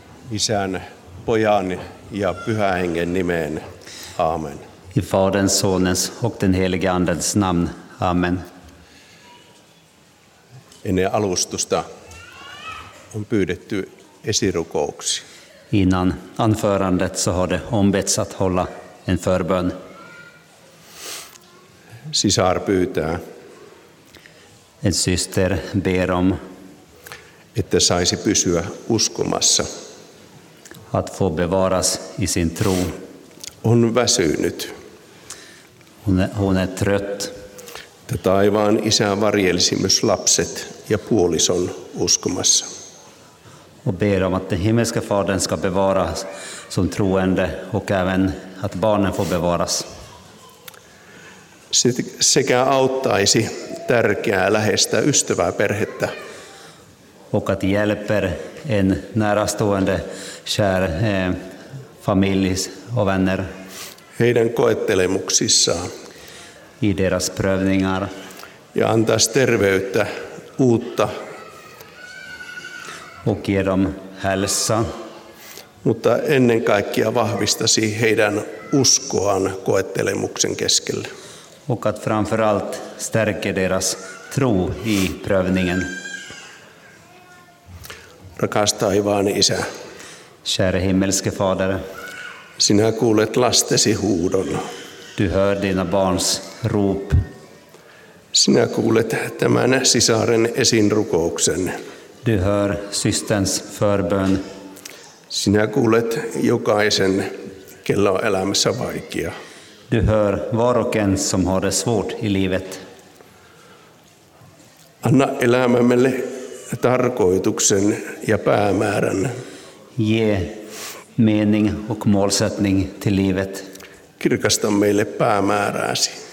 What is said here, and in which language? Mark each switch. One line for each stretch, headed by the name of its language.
Finnish: Isän, Pojan ja Pyhän Hengen nimeen. Amen.
Swedish: I Faderns, Sonens och den helige Andens namn. Amen.
Finnish: Ennen alustusta on pyydetty esirukouksi.
Swedish: Innan anförandet så har det ombetts att hålla en förbön.
Finnish: Sisar pyytää.
Swedish: En syster ber om.
Finnish: Että saisi pysyä uskomassa.
Swedish: Att få bevaras i sin tro.
Finnish: On väsynyt.
Swedish: Hon är trött.
Finnish: Että taivaan isä varjelisi myös lapset ja puolison uskomassa.
Swedish: Och ber om att den himmelska fadern ska bevaras som troende och även att barnen får bevaras.
Finnish: Sekä auttaisi tärkeää läheistä ystävää perhettä.
Swedish: Och att hjälper en närastående kär familjs och vänner.
Finnish: Heidän koettelemuksissaan.
Swedish: I deras prövningar.
Finnish: Ja antaisi terveyttä uutta.
Swedish: Och ge dem hälsa.
Finnish: Mutta ennen kaikkea vahvistaisi heidän uskoaan koettelemuksen keskellä.
Swedish: Och att framförallt stärker deras tro i prövningen.
Finnish: Rakas taivaan isä.
Swedish: Käre himmelske fader.
Finnish: Sinä kuulet lastesi huudon.
Swedish: Du hör dina barns rop.
Finnish: Sinä kuulet tämän sisaren esinrukouksen.
Swedish: Du hör systerns förbön.
Finnish: Sinä kuulet jokaisen, kello on elämässä vaikea.
Swedish: Du hör var och en som har det svårt i livet.
Finnish: Anna elämämmelle tarkoituksen ja päämäärän.
Swedish: Ge mening och målsättning till livet.
Finnish: Kirkasta meille päämääräsi.